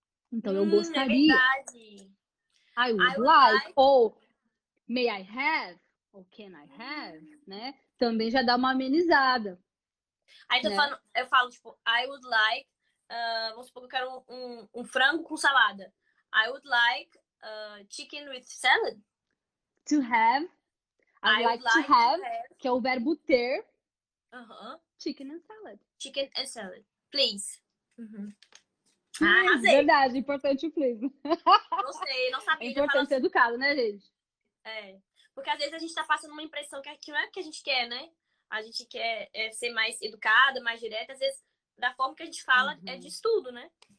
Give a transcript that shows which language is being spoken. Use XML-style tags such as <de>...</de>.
<pt>Então, eu gostaria. É,</pt> <en>I would like. Ou may I have? Ou can I have? Né?</en> <pt>Também já dá uma amenizada. Aí, né? Eu falo, tipo,</pt> <en>I would like.</en> <pt>Vamos supor que eu quero um frango com salada.</pt> <en>I would like chicken with salad. To have. I would like to have.</en> <pt>Que é o verbo ter.</pt> <en>Chicken and salad. Chicken and salad, please.</en> <pt>Arrasei. Verdade, importante o please. Gostei, não sabia. É importante ser educado, né, gente? É, porque às vezes a gente tá passando uma impressão que não é o que a gente quer, né? A gente quer ser mais educada, mais direta. Às vezes, da forma que a gente fala, é de estudo, né?</pt>